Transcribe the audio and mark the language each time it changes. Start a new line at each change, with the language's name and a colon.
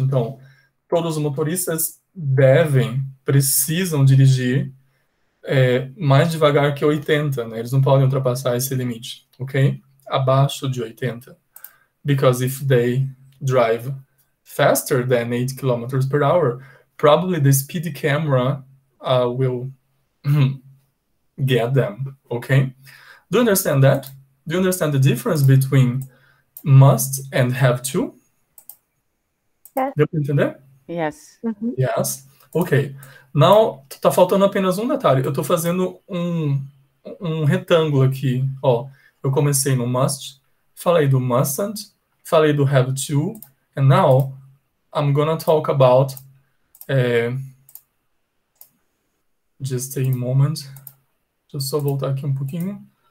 Portuguese: Então, todos os motoristas precisam dirigir mais devagar que 80, né? Eles não podem ultrapassar esse limite, ok? Abaixo de 80.
English: Because if they drive faster than 8 km per hour, probably the speed camera will get them, okay? Do you understand that? Do you understand the difference between must and have to?
Portuguese: Deu para entender?
English: Yes. Yes. Ok.
Portuguese: Now, tá faltando apenas um detalhe. Eu estou fazendo um retângulo aqui. Ó, eu comecei no must, falei do mustn't, falei do have to,
English: and now I'm gonna talk about. Just a moment.
Portuguese: Deixa eu só voltar aqui um pouquinho.